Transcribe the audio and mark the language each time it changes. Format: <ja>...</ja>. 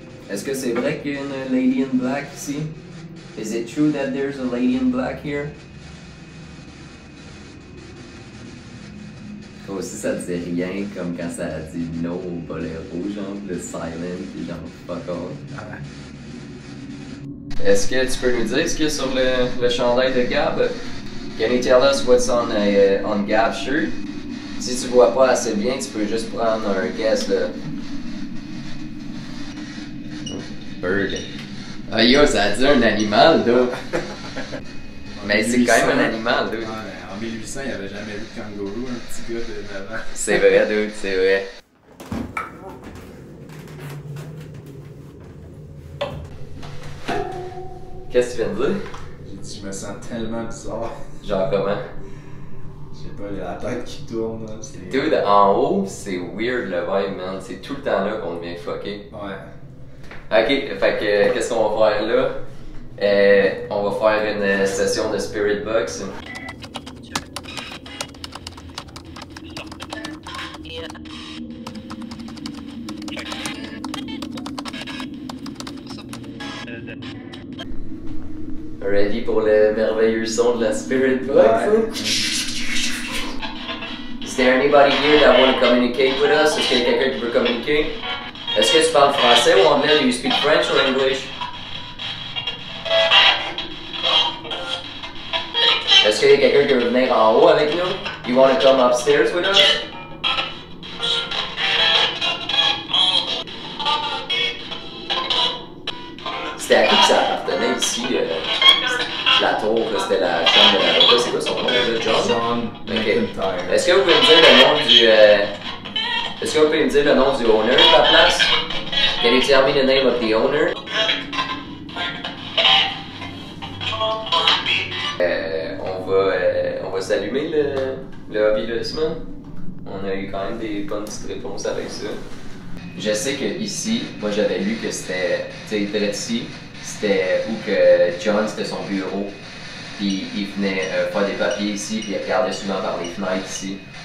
<fr>Est-ce que c'est vrai qu'il y a une</fr> <en>lady in black</en> <fr>ici?</fr> <en>Is it true that there's a lady in black here?</en> <fr>Toi aussi, ça disait rien comme quand ça a dit no au boléro, genre le silent, pis genre fuck off. Ouais. Est-ce que tu peux nous dire ce qu'il y a sur le chandail de Gab?</fr> <en>Can you tell us what's on Gab's shirt?</en> <fr>Si tu vois pas assez bien, tu peux juste prendre un guess là. Bird. Ah yo, ça a dit un animal, là. Mais c'est quand même un animal, là. En 1800, il n'y avait jamais vu de kangourou, un petit gars de 9 ans. C'est vrai, dude, c'est vrai. Qu'est-ce que tu viens de dire? J'ai dit, je me sens tellement bizarre. Genre comment? Je sais pas, la tête qui tourne. C'est... Dude, en haut, c'est weird le vibe, man. C'est tout le temps là qu'on devient fucké. Ouais. Ok, fait que qu'est-ce qu'on va faire là? On va faire une session de Spirit Box. Ready pour le merveilleux son de la Spirit Box? Ouais.</fr> <en>Is there anybody here that want to communicate with us?</en> <fr>Est-ce qu'il y a quelqu'un qui veut communiquer? Est-ce que tu parles français ou anglais?</fr> <en>Do you speak French or English?</en> <fr>Est-ce qu'il y a quelqu'un qui veut venir en haut avec nous?</fr> <en>You want to come upstairs with us?</en> <fr>C'était à qui que ça appartenait ici? La tour, c'était la chambre de la robe, c'est quoi son nom? John McIntyre. Okay. Est-ce que vous pouvez me dire le nom du. Est-ce que vous pouvez me dire le nom du owner de la place?</fr> <en>Can you tell me the name of the owner?</en> <fr>On va s'allumer le hobby de ce moment. On a eu quand même des bonnes petites réponses avec ça. Je sais que ici, moi j'avais lu que c'était. Tu sais, il était ici. C'était où que John, c'était son bureau. Puis il venait faire des papiers ici, puis il regardait souvent par les fenêtres ici.</fr>